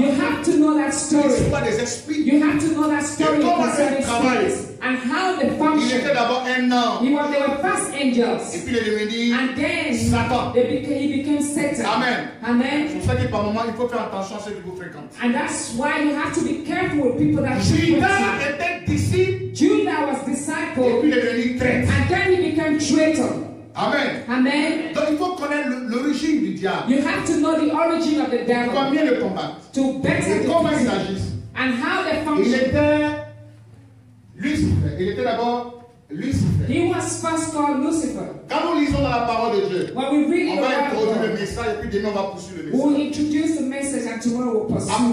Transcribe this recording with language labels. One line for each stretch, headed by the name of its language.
English: You have to know that story.
French: L'histoire des esprits.
English: You have to know that story.
French: Et comment ça travaille?
English: And how they function.
French: Il était d'abord un ange.
English: They were first angels.
French: Et puis il est devenu
English: and then Satan. He became Satan. Amen. Amen.
French: C'est pour ça que par moment il faut faire attention à ceux que vous fréquentez.
English: And that's why you have to be careful with people that Judas you
French: frequent. Judas était disciple.
English: Judas was disciple.
French: Et puis il est devenu traître.
English: And then he became traitor. Amen. Amen.
French: Donc il faut connaître l'origine du diable.
English: You have to know the origin of the devil.
French: Pour mieux le combattre.
English: To better
French: et comment ils agissent.
English: And how they function.
French: Il était Lucifer, il était d'abord Lucifer.
English: He was first called Lucifer.
French: Quand nous lisons dans la parole de Dieu,
English: when we read
French: on va introduire le message et puis demain on va poursuivre le message.
English: We'll introduce the message and tomorrow we'll pursue